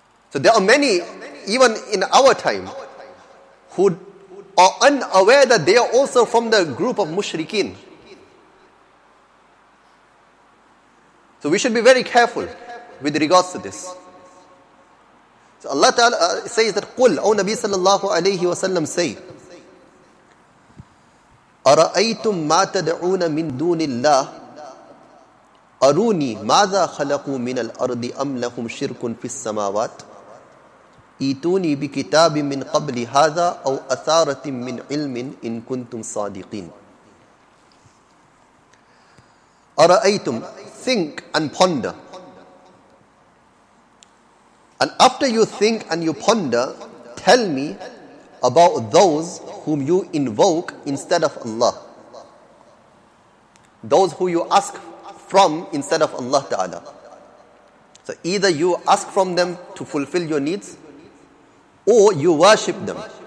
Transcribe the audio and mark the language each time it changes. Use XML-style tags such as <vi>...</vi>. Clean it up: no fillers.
<en>So there are many, even in our time, who are unaware that they are also from the group of mushrikeen. So we should be very careful with regards to this. So Allah Ta'ala says that,</en> <ar>قُلْ أَوْ نَبِي صَلَى اللَّهُ عَلَيْهِ وَسَلَّمْ say, أَرَأَيْتُمْ مَا تَدْعُونَ مِن دُونِ اللَّهِ أَرُونِي مَاذَا خَلَقُوا مِنَ الْأَرْضِ أَمْ لَهُمْ شِرْكٌ فِي السَّمَاوَاتِ إِتُونِي بِكِتَابٍ مِّن قَبْلِ هَذَا أَوْ أَثَارَةٍ مِّنْ عِلْمٍ إِن كُنْتُمْ صَادِقِينَ أَرَأَيْتُمْ</ar> <en>think and ponder. And after you think and you ponder, tell me about those whom you invoke instead of Allah. Those who you ask from instead of Allah Ta'ala. So either you ask from them to fulfill your needs, or you worship them.</en>